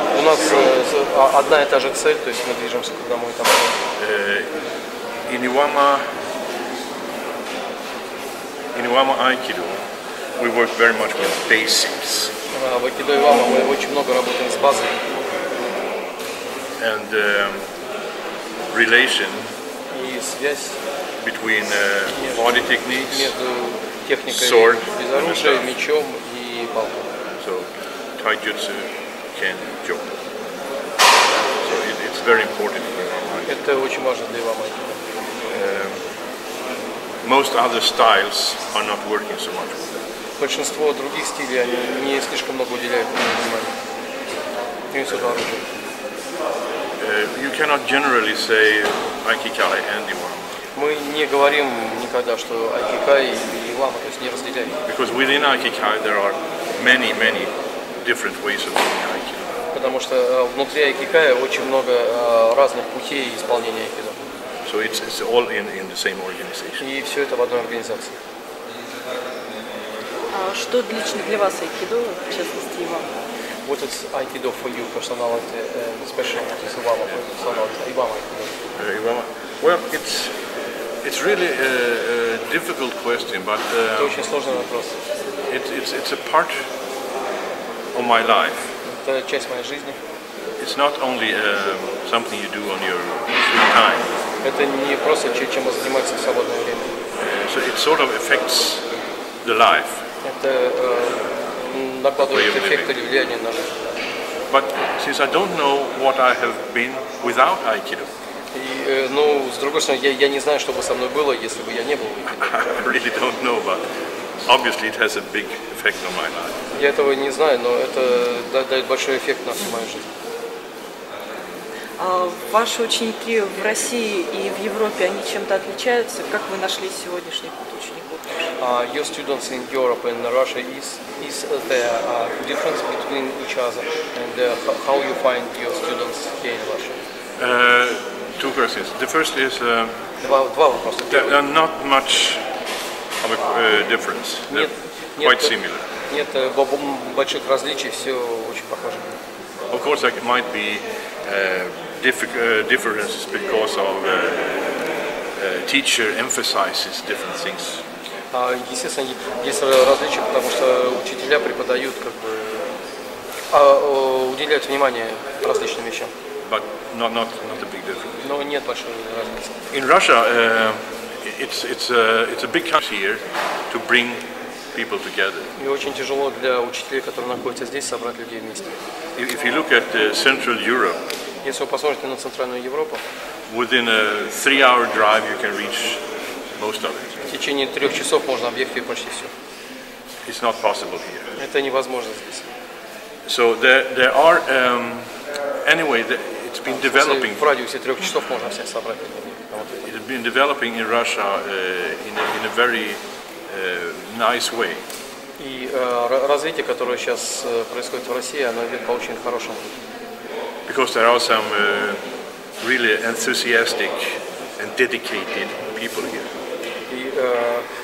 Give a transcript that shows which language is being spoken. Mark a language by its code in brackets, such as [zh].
[ru] У нас одна и та же цель, то есть мы движемся к одному и тому же. [en] In Iwama Aikido, we work very much with basics. [ru] В Aikido Iwama мы очень много работаем с базой. [en] And relation [ru] и связь [en] between body techniques, [ru] между техникой sword, без оружия, and мечом и палкой. [en] So Taijutsu, Ken, Jokken. So it's very important for Iwama. [ru] Это очень важно для Iwama. [en] Most other styles are not working so much with that. [ru] Большинство других стилей они не слишком много уделяют внимания. [en] You cannot generally say Aikikai and Iwama. [ru] Мы не говорим никогда, что Aikikai и Iwama, то есть не разделяем. [en] Because within Aikikai there are many, many different ways of doing Aikido. [ru] Потому что внутри Aikikai очень много разных путей исполнения Aikido. [en] So it's all in the same organization. [ru] И все это в одной организации. Что лично для вас Aikido, в частности, Ивама? [en] What is Aikido for you, personality, especially what is Ивама, personality, Ивама Aikido? Ивама. Well, it's really a difficult question, but [ru] это очень сложный вопрос. [en] It's a part of my life. [ru] Это часть моей жизни. [en] It's not only something you do on your free time. [ru] Это не просто чем вы занимаетесь в свободное время. [en] So it sort of affects the life. [ru] Это накладывает эффект или влияние на жизнь. [en] But since I don't know what I have been without Aikido. [ru] Ну, с другой стороны, я не знаю, что бы со мной было, если бы я не был в [en] Aikido. I really don't know, but obviously it has a big effect on my life. [ru] Я этого не знаю, но это дает большой эффект на всю мою жизнь. Ваши ученики в России и в Европе, они чем-то отличаются? Как вы нашли сегодняшний путь учеников? [en] Your students in Europe and Russia, is there a difference between each other? And how you find your students here in Russia? Two questions. The first is... [ru] Два вопроса. [en] There are not much of a difference. [ru] Нет, [en] quite similar. [ru] Нет больших различий, все очень похоже. [en] Of course, there might be differences because of teacher emphasizes different things. [ru] Естественно, есть различия, потому что учителя преподают, как бы, уделяют внимание различным вещам. [en] But not a big difference. [ru] Но нет большой разницы. [en] In Russia, it's a big task here to bring people together. [ru] И очень тяжело для учителей, которые находятся здесь, собрать людей вместе. [en] If you look at Central Europe, [ru] если вы посмотрите на Центральную Европу, [en] within a 3-hour drive you can reach most of it. [ru] В течение 3 часов можно объехать почти все. [en] It's not possible here. [ru] Это невозможно здесь. [en] So there are anyway, it's been developing. [ru] В радиусе 3 часов можно всех собрать. [en] It's been developing in Russia in a very nice way. [ru] И развитие, которое сейчас происходит в России, оно идет по очень хорошему. [en] Because there are some really enthusiastic and dedicated people here.